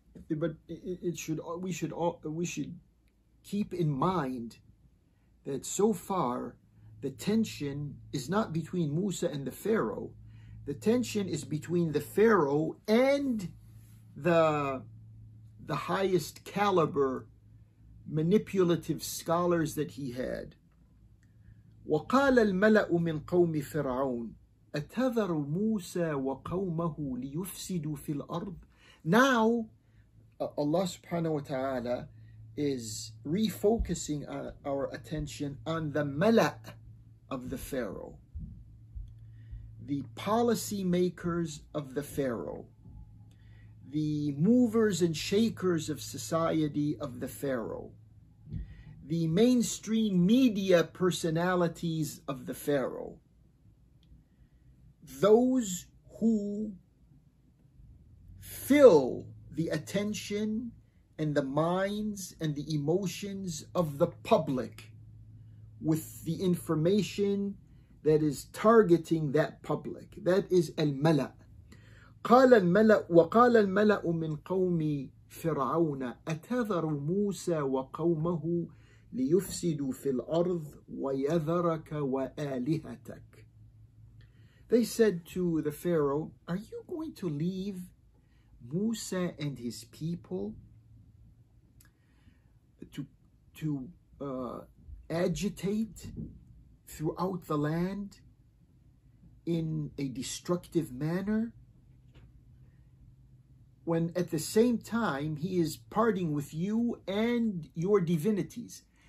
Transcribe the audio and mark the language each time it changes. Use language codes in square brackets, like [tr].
[en] But it should, we should keep in mind that so far, the tension is not between Musa and the Pharaoh. The tension is between the Pharaoh and the highest caliber manipulative scholars that he had. [ar] وَقَالَ الْمَلَأُ مِنْ قَوْمِ فِرْعَوْنَ أَتَذَرُ مُوسَى وَقَوْمَهُ لِيُفْسِدُوا فِي الْأَرْضِ [en] Now, Allah subhanahu wa ta'ala is refocusing our attention on the mala' of the Pharaoh, the policy makers of the Pharaoh, the movers and shakers of society of the Pharaoh, the mainstream media personalities of the Pharaoh, those who fill the attention and the minds and the emotions of the public with the information that is targeting that public. That is al-mala'. [ar] قال الملأ وقال الملأ من قوم فرعون أتذر موسى وقومه ليفسدوا في الأرض ويذرك وآلهتك. [en] They said to the Pharaoh, are you going to leave Musa and his people to agitate throughout the land in a destructive manner, when at the same time he is parting with you and your divinities?